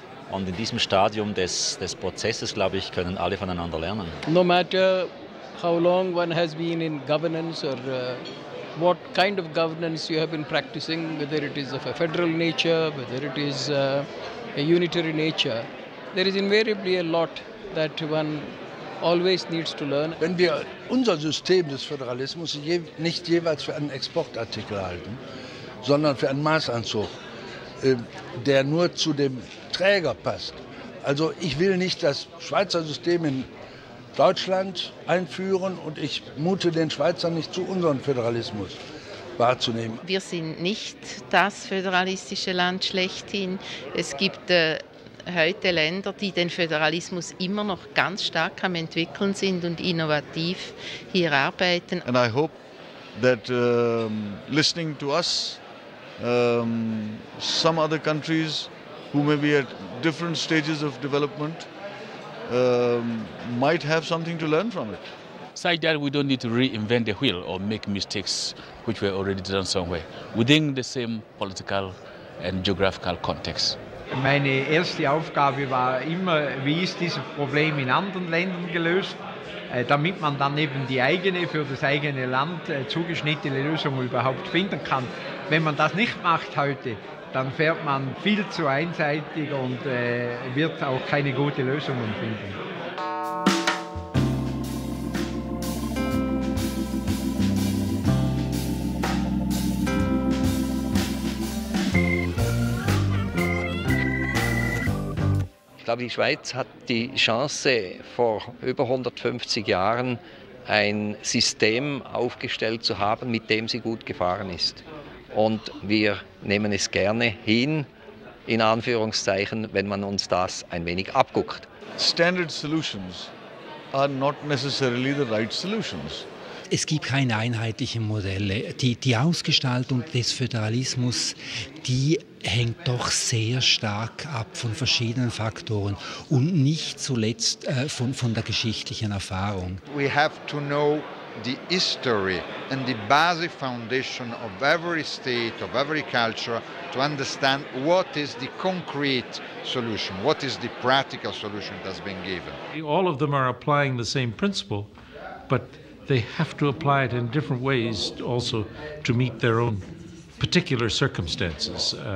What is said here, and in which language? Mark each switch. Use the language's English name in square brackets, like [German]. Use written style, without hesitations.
[German] Und in diesem Stadium des Prozesses, glaube ich, können alle voneinander lernen. [English] No matter how long one has been in governance or what kind of governance you have been practicing, whether it is of a federal nature, whether it is a unitary nature, there is invariably a lot that one always needs to learn. [German] Wenn wir unser System des Föderalismus nicht jeweils für einen Exportartikel halten, sondern für einen Maßanzug, der nur zu dem Träger passt. Also ich will nicht das Schweizer System in Deutschland einführen und ich mute den Schweizern nicht zu, unseren Föderalismus wahrzunehmen. Wir sind nicht das föderalistische Land schlechthin. Es gibt heute Länder, die den Föderalismus immer noch ganz stark am Entwickeln sind und innovativ hier arbeiten. [English] And I hope that listening to us, some other countries who may be at different stages of development might have something to learn from it. Besides that, we don't need to reinvent the wheel or make mistakes which were already done somewhere within the same political and geographical context. [German] Meine erste Aufgabe war immer, wie ist dieses Problem in anderen Ländern gelöst, damit man dann eben die eigene, für das eigene Land zugeschnittene Lösung überhaupt finden kann. Wenn man das nicht macht heute, dann fährt man viel zu einseitig und wird auch keine gute Lösung finden. Ich glaube, die Schweiz hat die Chance, vor über 150 Jahren ein System aufgestellt zu haben, mit dem sie gut gefahren ist. Und wir nehmen es gerne hin, in Anführungszeichen, wenn man uns das ein wenig abguckt. [English] Standard solutions are not necessarily the right solutions. [German] Es gibt keine einheitlichen Modelle. Die Ausgestaltung des Föderalismus, die hängt doch sehr stark ab von verschiedenen Faktoren und nicht zuletzt von der geschichtlichen Erfahrung. [English] We have to know the history and the basic foundation of every state, of every culture, to understand what is the concrete solution, what is the practical solution that's been given. All of them are applying the same principle, but they have to apply it in different ways also to meet their own particular circumstances.